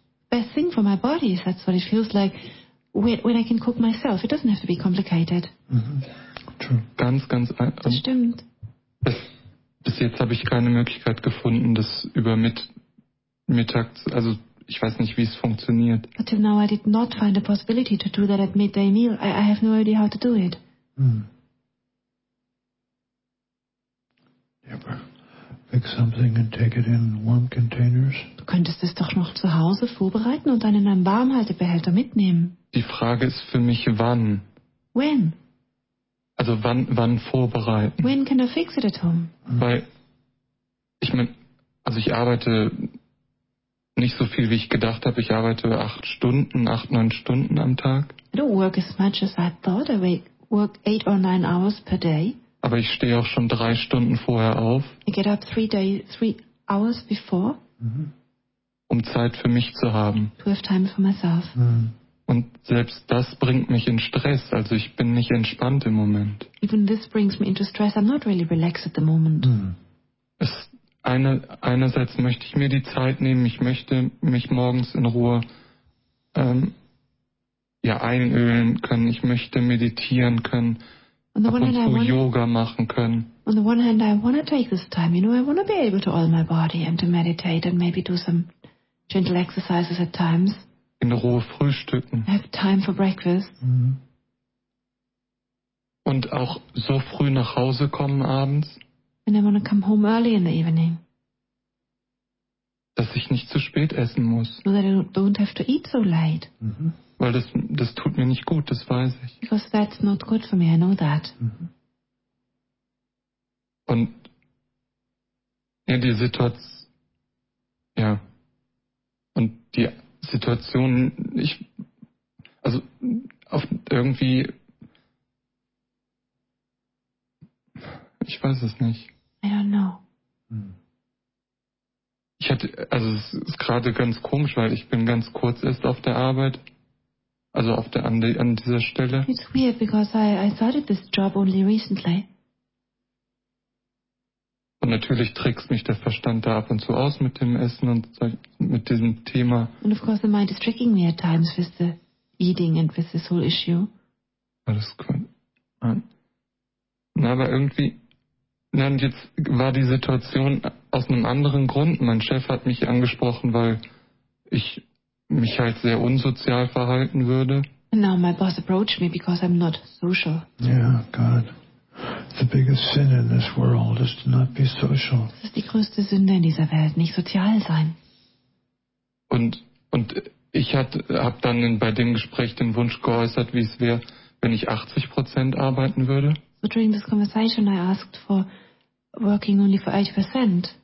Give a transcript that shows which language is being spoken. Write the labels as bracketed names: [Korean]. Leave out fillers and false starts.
[English] The best thing for my body is that's what it feels like when I can cook myself. It doesn't have to be complicated. Mm-hmm. True. [German] Ganz einfach. Das stimmt. Bis jetzt habe ich keine Möglichkeit gefunden, das über Mittags, also ich weiß nicht, wie es funktioniert. [English] Until now I did not find a possibility to do that at midday meal. I have no idea how to do it. Mm. Make something and take it in warm containers. [German] Du könntest es doch noch zu Hause vorbereiten und dann in einem Warmhaltebehälter mitnehmen. Die Frage ist für mich, wann? [English] When? [German] Also wann vorbereiten? [English] When can I fix it at home? [German] Weil, ich meine, also ich arbeite nicht so viel, wie ich gedacht habe. Ich arbeite 8, 9 Stunden am Tag. [English] I don't work as much as I thought. I work 8 or 9 hours per day. [German] Aber ich stehe auch schon 3 Stunden vorher auf. [English] I get up three hours before. [German] Um Zeit für mich zu haben. [English] To have time for myself. Mhm. [German] Und selbst das bringt mich in Stress. Also ich bin nicht entspannt im Moment. [English] Even this brings me into stress. I'm not really relaxed at the moment. [German] Mhm. Einerseits möchte ich mir die Zeit nehmen. Ich möchte mich morgens in Ruhe einölen können. Ich möchte meditieren können. [English] On the one hand, [German] I Yoga machen können. [English] On the one hand, I want to take this time. You know, I want to be able to oil my body and to meditate and maybe do some gentle exercises at times. [German] In Ruhe frühstücken. [English] I have time for breakfast. Mhm. [German] Und auch so früh nach Hause kommen abends. [English] And I want to come home early in the evening. [German] Dass ich nicht zu spät essen muss. [English] So that I don't have to eat so late. Mhm. [German] Weil das tut mir nicht gut, das weiß ich. [English] Because that's not good for me, I know that. [German] Und ja, die Situation, ich, also auf irgendwie, ich weiß es nicht. [English] I don't know. [German] Ich hatte, also es ist gerade ganz komisch, weil ich bin ganz kurz erst auf der Arbeit. Also an dieser Stelle. [English] It's weird because I started this job only recently. [German] Und natürlich trickst mich der Verstand da ab und zu aus mit dem Essen und mit diesem Thema. [English] And of course the mind is tricking me at times with the eating and with this whole issue. [German] Alles klar. Na, aber irgendwie, na, und jetzt war die Situation aus einem anderen Grund. Mein Chef hat mich angesprochen, weil ich mich halt sehr unsozial verhalten würde. [English] And now my boss approached me because I'm not social. Yeah, God. The biggest sin in this world is to not be social. [German] Das ist die größte Sünde in dieser Welt, nicht sozial sein. Und ich hab dann bei dem Gespräch den Wunsch geäußert, wie es wäre, wenn ich 80% arbeiten würde. [English] So during this conversation I asked for working only for 80%.